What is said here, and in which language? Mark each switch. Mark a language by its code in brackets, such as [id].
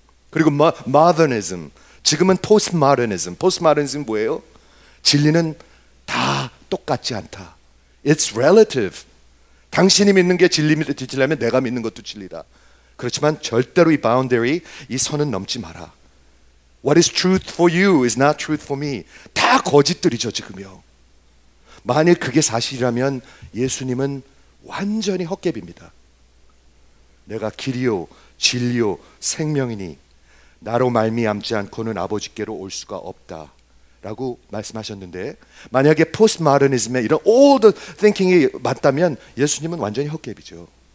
[ko] 그리고 Modernism. 지금은 Postmodernism. Postmodernism 뭐예요? 진리는 다 똑같지 않다. [en] It's relative. [ko] 당신이 믿는 게 진리라면 내가 믿는 것도 진리다. 그렇지만 절대로 이 boundary, 이 선은 넘지 마라. [en] What is truth for you is not truth for me. [ko] 다 거짓들이죠 지금요. 만일 그게 사실이라면 예수님은 완전히 헛개비입니다. 내가 길이요 진리요 생명이니 나로 말미암지 않고는 아버지께로 올 수가 없다 라고 말씀하셨는데 만약에 포스트모더니즘의 이런 old thinking이 맞다면 예수님은 완전히 헛개비죠.